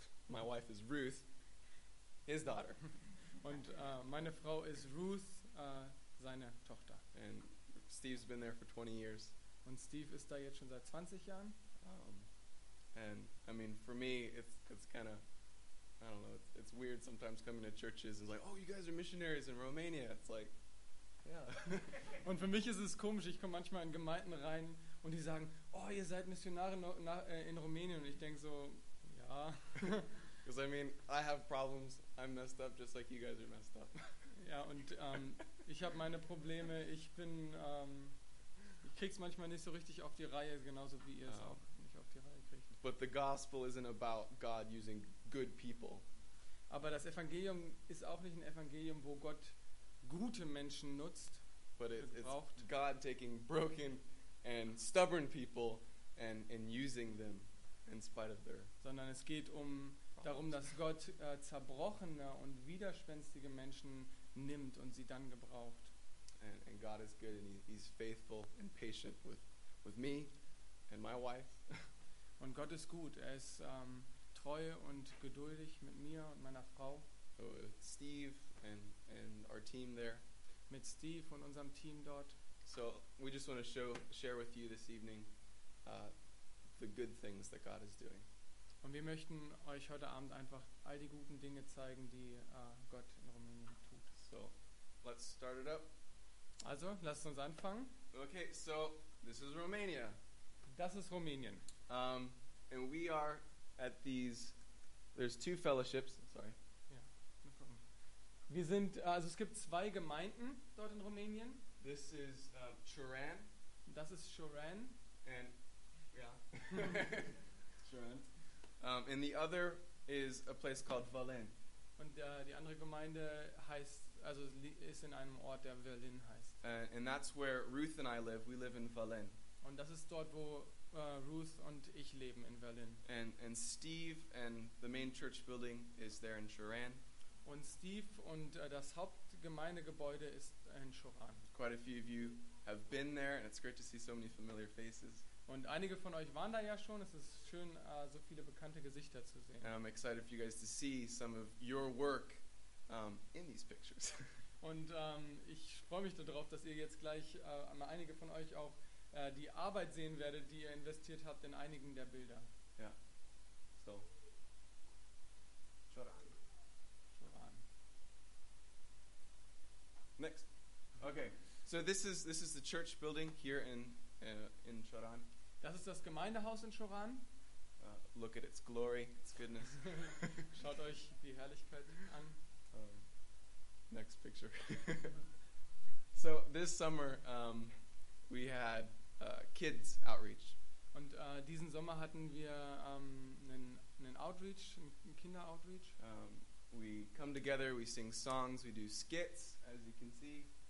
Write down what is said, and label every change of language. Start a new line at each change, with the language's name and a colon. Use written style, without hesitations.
English: My wife is Ruth, his daughter.
German: Und meine Frau ist Ruth, seine Tochter.
English: And Steve's been there for 20 years.
German: Und Steve ist da jetzt schon seit 20 Jahren.
English: And I mean, for me, it's kind of, I don't know, it's weird sometimes coming to churches and it's like, oh, you guys are missionaries in Romania. It's like, yeah.
German: Und für mich ist es komisch. Ich komme manchmal in Gemeinden rein und die sagen, oh, ihr seid Missionare in Rumänien. Und ich denke so, ja.
English: Because I mean, I have problems. I'm messed up, just like you guys are messed up.
German: Ja, und ich habe meine Probleme. Ich bin, ich krieg's manchmal nicht so richtig auf die Reihe, genauso wie ihr es auch nicht auf die Reihe kriegt.
English: But the gospel isn't about God using good people.
German: Aber das Evangelium ist auch nicht ein Evangelium, wo Gott gute Menschen nutzt.
English: But it's God taking broken and stubborn people and using them in spite of their.
German: Sondern es geht um darum, dass Gott zerbrochene und widerspenstige Menschen nimmt und sie dann gebraucht.
English: And God is good and he's faithful and patient with me and my wife.
German: Und Gott ist gut. Er ist treu und geduldig mit mir und meiner Frau.
English: So with Steve and our team there.
German: Mit Steve und unserem Team dort.
English: So we just want to share with you this evening the good things that God is doing.
German: Und wir möchten euch heute Abend einfach all die guten Dinge zeigen, die Gott in Rumänien tut.
English: So, let's start it up.
German: Also, lasst uns anfangen.
English: Okay, so, this is Romania.
German: Das ist Rumänien.
English: And we are at these, there's two fellowships, sorry. Yeah, no problem.
German: Wir sind, also es gibt zwei Gemeinden dort in Rumänien.
English: This is Choran.
German: Das ist Choran.
English: And, yeah. Choran. And the other is a place called Valin.
German: Und die andere Gemeinde heißt, also ist in einem Ort, der Valin heißt.
English: And that's where Ruth and I live. We live in Valin.
German: Und das ist dort, wo Ruth und ich leben, in Valin.
English: And Steve and the main church building is there in Choran.
German: Und Steve und das Hauptgemeindegebäude ist in Choran.
English: Quite a few of you have been there, and it's great to see so many familiar faces.
German: Und einige von euch waren da ja schon. Es ist schön, so viele bekannte Gesichter zu sehen.
English: And I'm excited for you guys to see some of your work in these pictures.
German: Und ich freue mich darauf, dass ihr jetzt gleich mal einige von euch auch die Arbeit sehen werdet, die ihr investiert habt in einigen der Bilder. Ja. Yeah. So.
English: Choran. Choran. Next. Okay. So this is the church building here in Choran.
German: Das ist das Gemeindehaus in Choran.
English: Look at its glory, its goodness.
German: Schaut euch die Herrlichkeit an.
English: Next picture. So this summer we had kids outreach.
German: Und diesen Sommer hatten wir einen Outreach, einen Kinder-Outreach.
English: We come together, we sing songs, we do skits, as you can see.